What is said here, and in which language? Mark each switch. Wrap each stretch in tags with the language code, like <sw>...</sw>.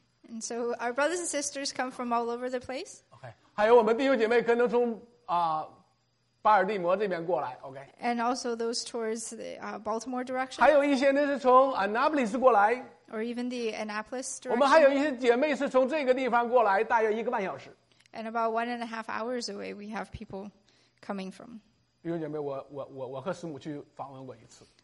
<en>And so our brothers and sisters come from all over the place</en> <zh>OK, 还有我们弟兄姐妹可能从 巴尔的摩这边过来 OK</zh> <en>And also those towards the Baltimore direction</en> <zh>还有一些呢是从 Annapolis过来</zh> <en>Or even the Annapolis direction</en> <zh>我们还有一些姐妹是从这个地方过来 大约1个半小时</zh> <en>And about 1.5 hours away, we have people coming from.</en> <zh>弟兄姐妹，我和师母去访问过一次。</zh>